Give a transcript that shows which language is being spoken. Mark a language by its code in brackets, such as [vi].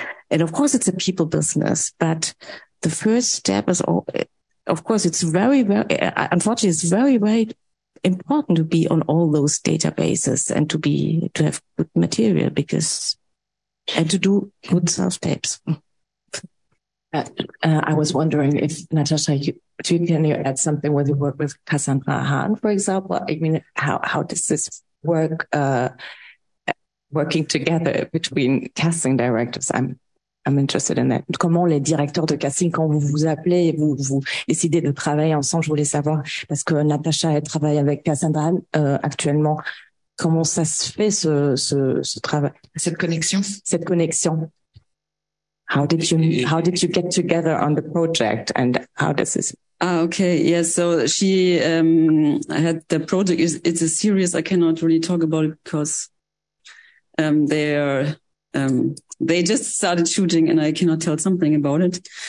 [en] And of course it's a people business, but the first step is, of course, it's very, very, unfortunately, it's very, very important to be on all those databases and to be, to have good material because, and to do good self-tapes. I was wondering if, Natasha, can you add something when you work with Cassandra Hahn, for example? I mean, how does this work, working together between casting directors? I'm interested in that. [fr] Comment les directeurs de casting, quand vous vous appelez et vous décidez de travailler ensemble, je voulais savoir, parce que Natasha, elle travaille avec Cassandra actuellement, comment ça se fait ce travail? Cette connexion. [en] How did you get together on the project and how does this? Okay. Yes. Yeah, so she had the project. It's a series I cannot really talk about because they just started shooting and I cannot tell something about it.